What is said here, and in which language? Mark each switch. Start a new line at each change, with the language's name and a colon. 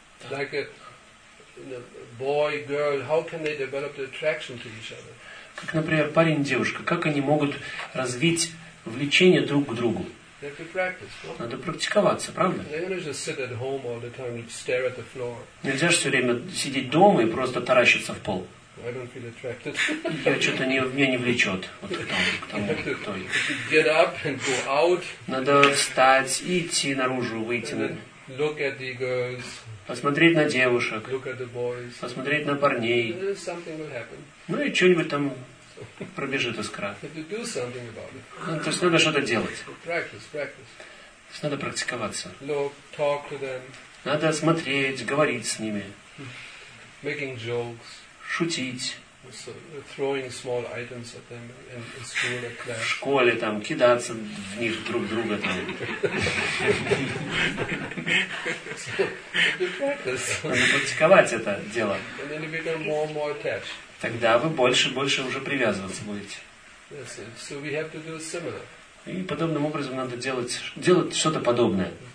English: Like a boy, girl, how can they develop the attraction to each other?
Russian: Как, например, парень и девушка, как они могут развить влечение друг к другу? Надо практиковаться, правда? Нельзя же все время сидеть дома и просто таращиться в пол. Я что-то не, меня не влечет вот к тому, к тому. Надо встать, идти наружу, выйти.
English: Look at the girls,
Russian: посмотреть на девушек,
English: look at the boys,
Russian: посмотреть на парней.
English: Something will happen.
Russian: Ну и что-нибудь там пробежит искра. То есть надо что-то делать.
English: Practice.
Russian: То есть надо практиковаться.
English: Look, talk to them.
Russian: Надо смотреть, говорить с ними.
English: Making jokes.
Russian: Шутить.
English: So, throwing small items at them in school, at class.
Russian: В школе там кидаться в них друг друга там. Надо практиковать это дело.
English: And then you become more and more attached.
Russian: Тогда вы больше и больше уже привязываться будете.
English: Yes, so we have to do similar.
Russian: И подобным образом надо делать что-то подобное.